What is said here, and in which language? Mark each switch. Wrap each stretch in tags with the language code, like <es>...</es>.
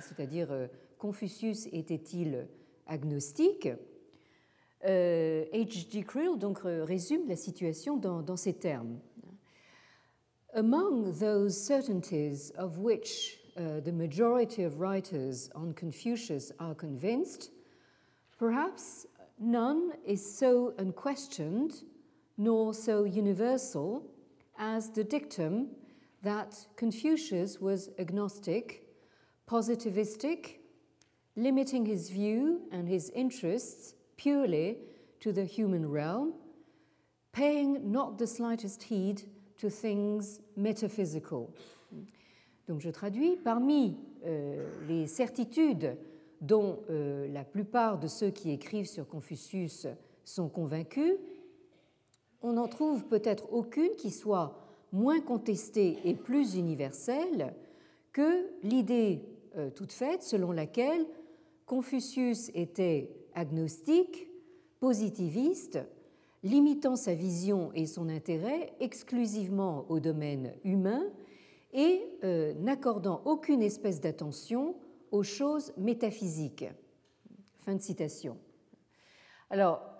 <fr>c'est-à-dire « Confucius était-il agnostique ?» H.G. Creel donc résume la situation dans ces termes.</fr> <en>Among those certainties of which the majority of writers on Confucius are convinced, perhaps none is so unquestioned nor so universal as the dictum that Confucius was agnostic, positivistic, limiting his view and his interests purely to the human realm, paying not the slightest heed to things metaphysical.</en> <fr>Donc je traduis, parmi les certitudes dont la plupart de ceux qui écrivent sur Confucius sont convaincus, on n'en trouve peut-être aucune qui soit moins contestée et plus universelle que l'idée toute faite selon laquelle Confucius était agnostique, positiviste, limitant sa vision et son intérêt exclusivement au domaine humain et n'accordant aucune espèce d'attention aux choses métaphysiques. Fin de citation. Alors,</fr>